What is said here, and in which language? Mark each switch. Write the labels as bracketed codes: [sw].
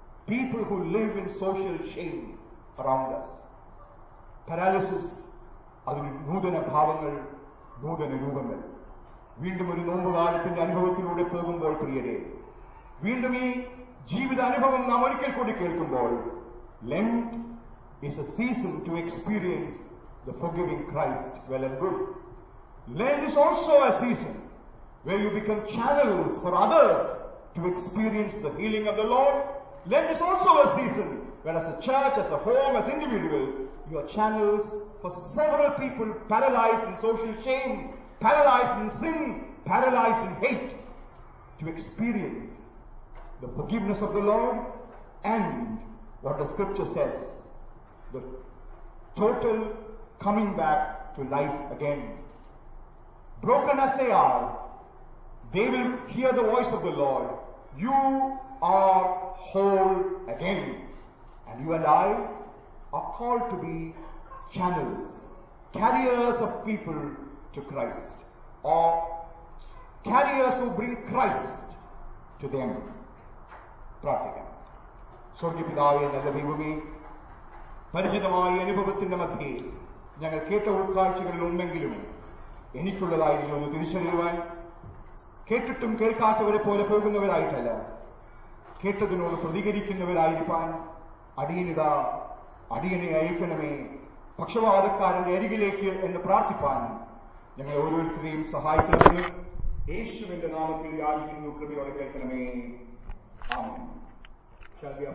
[en] people who live in social shame around us, paralysis, [ml] അതിന് നൂതന ഭാവങ്ങൾ, നൂതന രൂപങ്ങൾ. വീണ്ടും ഒരു നോമ്പുകാലത്തിന്റെ അനുഭവത്തിലൂടെ പോകുമ്പോൾ പ്രിയരെ, വീണ്ടും ഈ ജീവിത അനുഭവം നാം ഒരിക്കൽ കൂടി കേൾക്കുമ്പോൾ, [en] Lent is a season to experience the forgiving Christ well and good. Lent is also a season where you become channels for others to experience the healing of the Lord. Lent is also a season where as a church, as a home, as individuals, you are channels for several people paralyzed in social shame, paralyzed in sin, paralyzed in hate, to experience the forgiveness of the Lord and what the scripture says, the total coming back to life again. Broken as they are, they will hear the voice of the Lord. You are whole again. And you and I are called to be channels, carriers of people to Christ, or carriers who bring Christ to them. [ml] Pratikam. സ്വർഗ്ഗപിതാവേ, നല്ല ദൈവമേ, പരിചിതമായ അനുഭവത്തിന്റെ മധ്യേ ഞങ്ങൾ കേട്ട ഉൾക്കാഴ്ചകളിൽ ഉണ്ടെങ്കിലും എനിക്കുള്ളതായിരുന്നു ഒന്ന് തിരിച്ചറിയുവാൻ. കേട്ടിട്ടും കേൾക്കാത്തവരെ പോലെ പോകുന്നവരായിട്ടല്ല, കേട്ടതിനോട് പ്രതികരിക്കുന്നവരായിരിക്കാൻ അടിയനിതാ അടിയനെ അയക്കണമേ, പക്ഷപാതക്കാരന്റെ അരികിലേക്ക് എന്ന് പ്രാർത്ഥിപ്പാൻ ഞങ്ങൾ ഓരോരുത്തരെയും സഹായിക്കണമെന്ന് യേശുവിന്റെ നാമത്തിൽ യാചിക്കുന്നു. കൃപയോടെ കേൾക്കണമേ. ആമേൻ.